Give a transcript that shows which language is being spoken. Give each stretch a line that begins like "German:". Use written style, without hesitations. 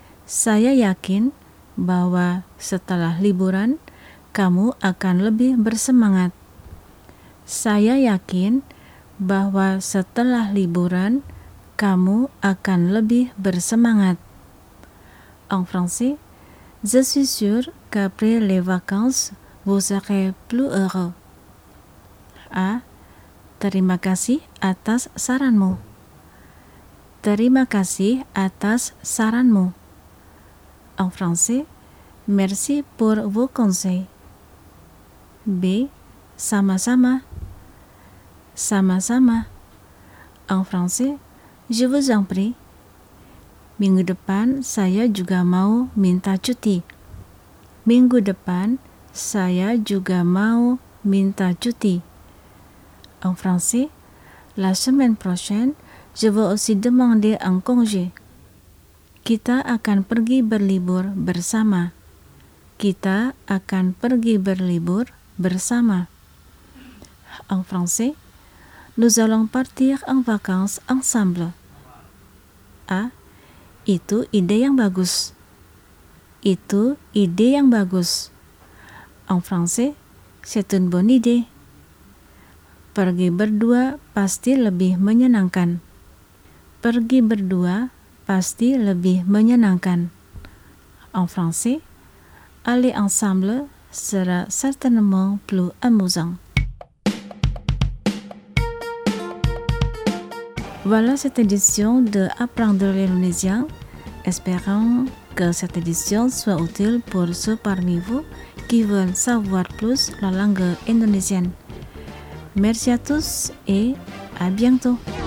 Indonesian: Saya yakin bahwa setelah liburan, kamu akan lebih bersemangat. Saya yakin bahwa setelah liburan, kamu akan lebih bersemangat.
French: en français, je suis sûr qu'après les vacances, vous serez plus heureux.
Indonesian: Ah, terima kasih atas saranmu. Terima kasih atas saranmu.
French: En français, merci pour vos conseils.
Indonesian: B, sama-sama. Sama-sama.
French: En français, je vous en prie.
Indonesian: Minggu depan saya juga mau minta cuti. Minggu depan saya juga mau minta cuti.
French: En français, la semaine prochaine, je vais aussi demander un congé.
Indonesian: Kita akan pergi berlibur bersama. Kita akan pergi berlibur bersama.
French: En français, nous allons partir en vacances ensemble. A.
Indonesian: Itu ide yang bagus. Itu ide yang bagus.
French: En français, c'est une bonne idée.
Indonesian: Pergi berdua pasti lebih menyenangkan. Pergi berdua pasti lebih menyenangkan.
French: En français, aller ensemble sera certainement plus amusant. Voilà cette édition de Apprendre l'Indonésien. Espérons que cette édition soit utile pour ceux parmi vous qui veulent savoir plus la langue indonésienne. Merci à tous et à bientôt.